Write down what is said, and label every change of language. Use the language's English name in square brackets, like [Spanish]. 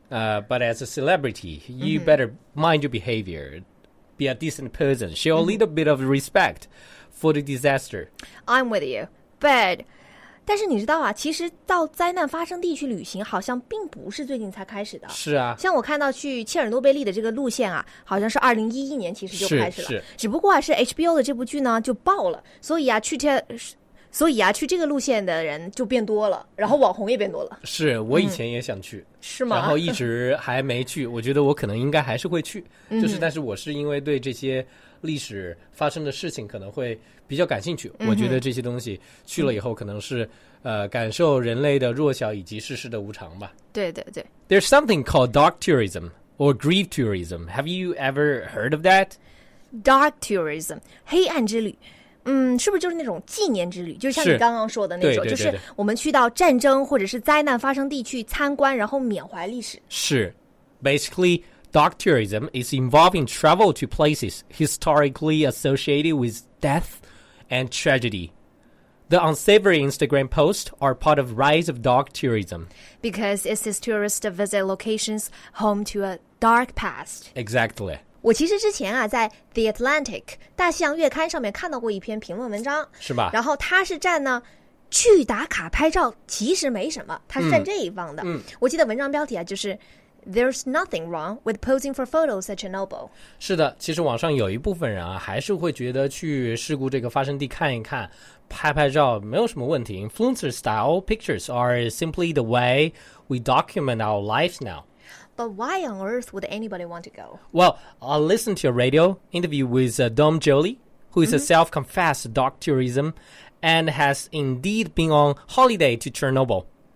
[English] But as a celebrity, you better mind your behavior, be a decent person, show a little bit of respect for the disaster. I'm with you, but... [Chinese] 但是你知道啊，其实到灾难发生地去旅行好像并不是最近才开始的。是啊，像我看到去切尔诺贝利的这个路线啊，好像是2011年其实就开始了。是只不过啊，是 HBO 的这部剧呢就爆了，所以这个路线的人就变多了，然后网红也变多了。是，我以前也想去。是吗？然后一直还没去。我觉得我可能应该还是会去，就是但是我是因为对这些历史发生的事情可能会比较感兴趣，我觉得这些东西去了以后可能是感受人类的弱小以及世事的无常吧。对对对。 [English] There's something called dark tourism or grief tourism. Have you ever heard of that? Dark tourism, [Chinese] 黑暗之旅。是不是就是那种纪念之旅，就像你刚刚说的那种，对对对对，就是我们去到战争或者是灾难发生地去参观，然后缅怀历史。是。 [English] Basically,Dark tourism is involving travel to places historically associated with death and tragedy. The unsavory Instagram posts are part of the rise of dark tourism. Because it says tourists visit locations home to a dark past. Exactly. [Chinese] 我其实之前啊，在 The Atlantic 大西洋月刊上面看到过一篇评论文章。是吧？然后它是站呢去打卡拍照其实没什么，它是站这一方的。我记得文章标题啊，就是 [English] There's nothing wrong with posing for photos at Chernobyl. [Chinese] 是的，其实网上有一部分人啊，还是会觉得去事故这个发生地看一看，拍拍照没有什么问题。 [English] Influencer style pictures are simply the way we document our lives now. But why on earth would anybody want to go? Well, I listened to a radio interview with Dom Jolie, who is a self-confessed dark tourism and has indeed been on holiday to Chernobyl.